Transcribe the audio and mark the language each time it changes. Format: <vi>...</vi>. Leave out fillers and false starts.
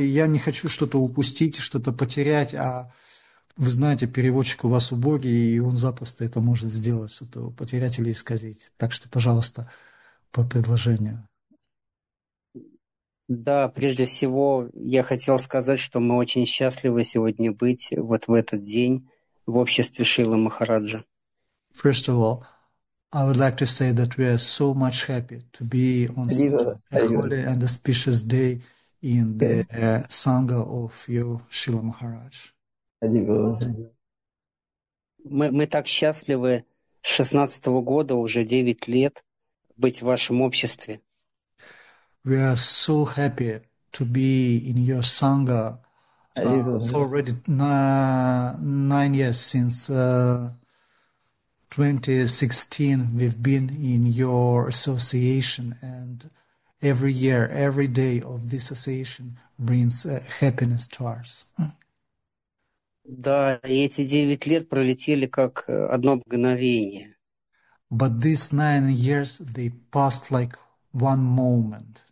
<ru>Я не хочу что-то упустить, что-то потерять, а вы знаете, переводчик у вас убогий, и он запросто это может сделать, что-то потерять или исказить. Так что, пожалуйста, по предложению. Да, прежде всего я хотел сказать, что мы очень счастливы сегодня быть вот в этот день в обществе Шрилы Махараджа.</ru> <en>First of all, I would like to say that we are so much happy to be on such a holy and auspicious day in the Sangha of your Шрила Махарадж.</en> <ru>Мы так счастливы 16-го года, уже 9 лет быть в вашем обществе.</ru> <en>We are so happy to be in your Sangha for already 9 years since 2016. We've been in your association, and every year, every day of this association brings happiness to us.</en> <ru>Да, и эти 9 лет пролетели как одно мгновение.</ru> <en>But these 9 years, they passed like one moment.</en>